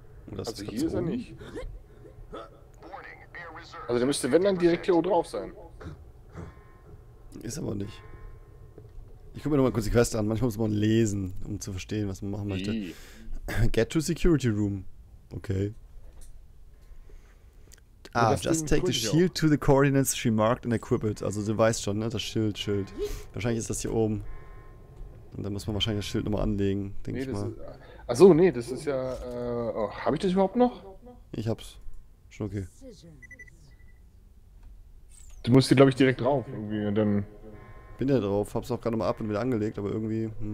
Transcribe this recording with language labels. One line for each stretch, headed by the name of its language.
German: Oder ist also hier ist oben? Er nicht. Also der müsste, wenn dann, direkt hier oben drauf sein. Ist aber nicht. Ich guck mir nochmal kurz die Quest an. Manchmal muss man lesen, um zu verstehen, was man machen möchte.
English: Get to Security Room. Okay. Ah, just take the shield to the coordinates she marked and equip it.
German: Also du weißt schon, ne? Das Schild, Schild. Wahrscheinlich ist das hier oben. Und dann muss man wahrscheinlich das Schild nochmal anlegen, denke ich mal. Achso, nee, das ist ja... hab ich das überhaupt noch? Ich hab's. Schon okay. Du musst hier, glaube ich, direkt drauf, irgendwie, und dann... Bin ja drauf, hab's auch gerade nochmal ab und wieder angelegt, aber irgendwie...